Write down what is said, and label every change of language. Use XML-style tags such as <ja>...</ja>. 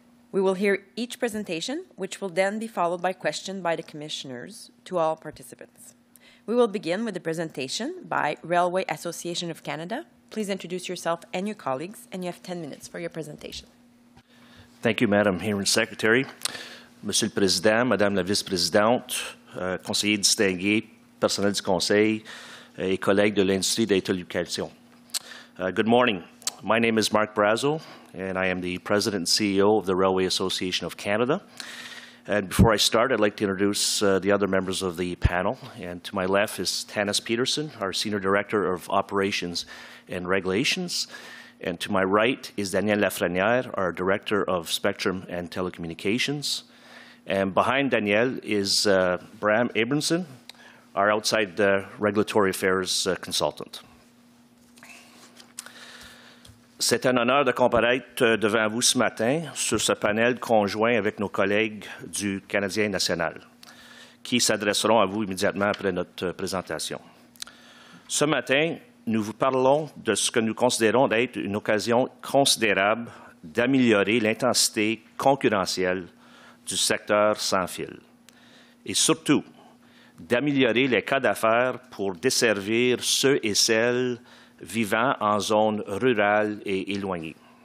<en>We will hear each presentation, which will then be followed by questions by the commissioners to all participants. We will begin with the presentation by Railway Association of Canada. Please introduce yourself and your colleagues, and you have 10 minutes for your presentation. Thank you, Madam Hearing Secretary.</en> <fr>Monsieur le Président, Madame la Vice-Présidente, conseiller distingué, personnel du conseil, et collègues de l'industrie des télécommunications.</fr> <en>Good morning. My name is Mark Brazo, and I am the President and CEO of the Railway Association of Canada. And before I start, I'd like to introduce the other members of the panel. And to my left is Tanis Peterson, our Senior Director of Operations and Regulations. And to my right is Daniel Lafreniere, our Director of Spectrum and Telecommunications. And behind Daniel is Bram Abramson, our outside regulatory affairs consultant.</en> <fr>C'est un honneur de comparaître devant vous ce matin sur ce panel conjoint avec nos collègues du Canadien national, qui s'adresseront à vous immédiatement après notre présentation. Ce matin, nous vous parlons de ce que nous considérons d'être une occasion considérable d'améliorer l'intensité concurrentielle du secteur sans fil, et surtout d'améliorer les cas d'affaires pour desservir ceux et celles vivant en zone rurale et éloignée.</fr>